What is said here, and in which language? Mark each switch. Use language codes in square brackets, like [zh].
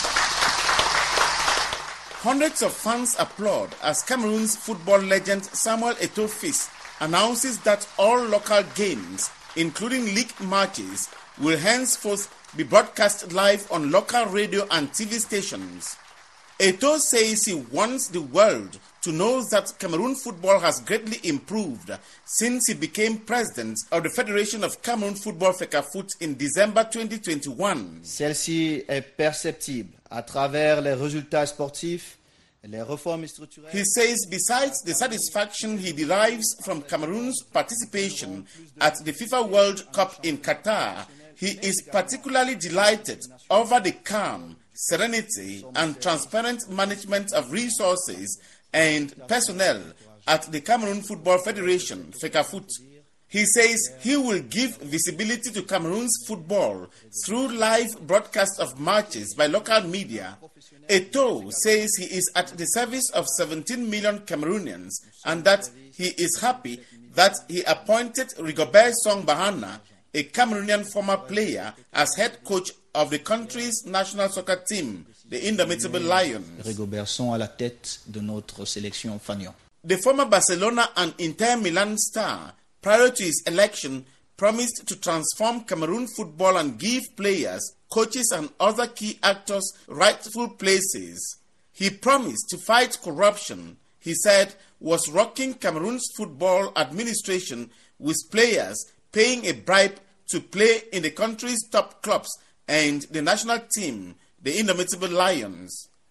[en] Hundreds of fans applaud as Cameroon's football legend Samuel Eto'o Fils announces that all local games, including league matches, will henceforth be broadcast live on local radio and TV stations. Eto'o says he wants the world to know that Cameroon football has greatly improved since he became president of the Federation of Cameroon Football FECAFOOT in December 2021. [fr] Celle-ci est perceptible à travers les résultats sportifs, les réformes structurelles. [en] He says besides the satisfaction he derives from Cameroon's participation at the FIFA World Cup in Qatar, he is particularly delighted over the calm, serenity, and transparent management of resources and personnel at the Cameroon Football Federation, FECAFOOT. He says he will give visibility to Cameroon's football through live broadcasts of matches by local media. Eto'o says he is at the service of 17 million Cameroonians and that he is happy that he appointed Rigobert Song Bahana, a Cameroonian former player, as head coach of the country's national soccer team, the Indomitable Lions. [fr] Rigobert Song à la tête de notre sélection fanion. [en] The former Barcelona and Inter Milan star, prior to his election, promised to transform Cameroon football and give players, coaches and other key actors rightful places. He promised to fight corruption, he said, was rocking Cameroon's football administration with players paying a bribe to play in the country's top clubs and the national team, the Indomitable Lions.